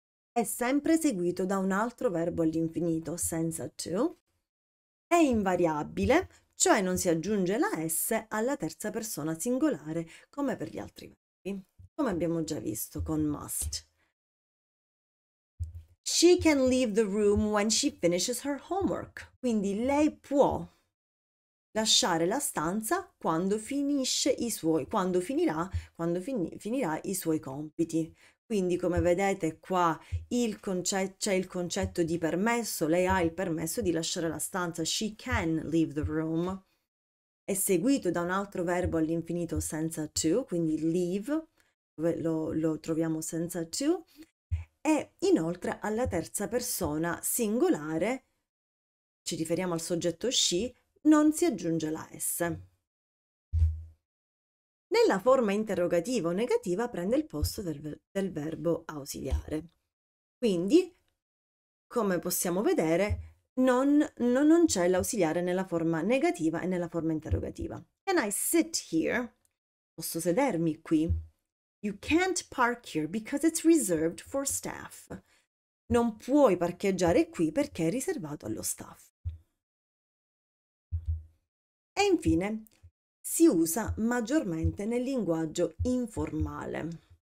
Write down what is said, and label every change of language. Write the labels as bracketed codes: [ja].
[it] È sempre seguito da un altro verbo all'infinito, senza to. È invariabile. Cioè non si aggiunge la S alla terza persona singolare come per gli altri verbi, come abbiamo già visto con must. [en] She can leave the room when she finishes her homework. [it] Quindi lei può lasciare la stanza quando finirà i suoi compiti. Quindi, come vedete qua, c'è il concetto di permesso. Lei ha il permesso di lasciare la stanza. [en] She can leave the room. [it] È seguito da un altro verbo all'infinito senza to, quindi leave, lo troviamo senza to, e inoltre alla terza persona singolare, ci riferiamo al soggetto she, non si aggiunge la S. Nella Nella forma interrogativa o negativa prende il posto del verbo ausiliare. Quindi, come possiamo vedere, non c'è l'ausiliare nella forma negativa e nella forma interrogativa. [en] Can I sit here? [it] Posso sedermi qui? [en] You can't park here because it's reserved for staff. [it] Non puoi parcheggiare qui perché è riservato allo staff. E infine, si usa maggiormente nel linguaggio informale.